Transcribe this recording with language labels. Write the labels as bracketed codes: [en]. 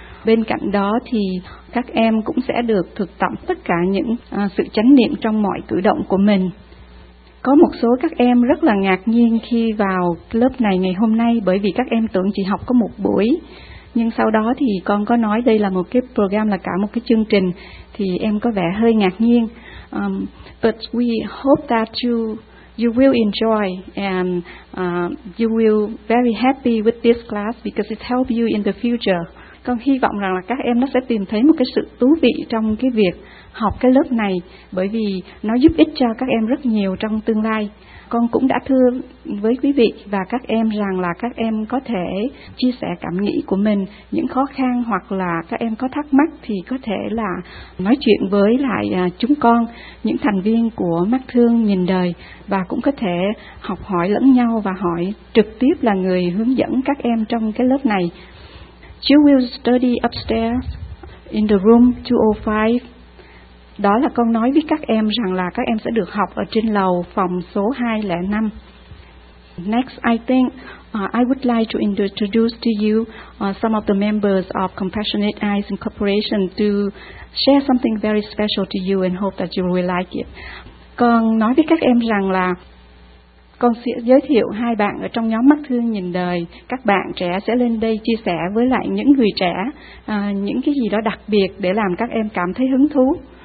[vi] Bên cạnh đó thì các em cũng sẽ được thực tập tất cả những sự chánh niệm trong mọi cử động của mình. Có một số các em rất là ngạc nhiên khi vào lớp này ngày hôm nay, bởi vì các em tưởng chỉ học có một buổi. Nhưng sau đó thì con có nói đây là một cái program, là cả một cái chương trình, thì em có vẻ hơi ngạc nhiên. [en] But we hope that you will enjoy and you will very happy with this class because it helps you in the future. [vi] Con hy vọng rằng là các em nó sẽ tìm thấy một cái sự thú vị trong cái việc học cái lớp này, bởi vì nó giúp ích cho các em rất nhiều trong tương lai. con cũng đã thưa với quý vị và các em rằng là các em có thể chia sẻ cảm nghĩ của mình, những khó khăn hoặc là các em có thắc mắc thì có thể là nói chuyện với lại chúng con, những thành viên của Mắt Thương Nhìn Đời, và cũng có thể học hỏi lẫn nhau và hỏi trực tiếp là người hướng dẫn các em trong cái lớp này. [en] You will study upstairs in the room 205. [vi] Đó là con nói với các em rằng là các em sẽ được học ở trên lầu phòng số 205. [en] Next, I think I would like to introduce to you some of the members of Compassionate Eyes Incorporation to share something very special to you and hope that you will like it. [vi] Con nói với các em rằng là con sẽ giới thiệu hai bạn ở trong nhóm Mắt Thương Nhìn Đời. Các bạn trẻ sẽ lên đây chia sẻ với lại những người trẻ những cái gì đó đặc biệt để làm các em cảm thấy hứng thú.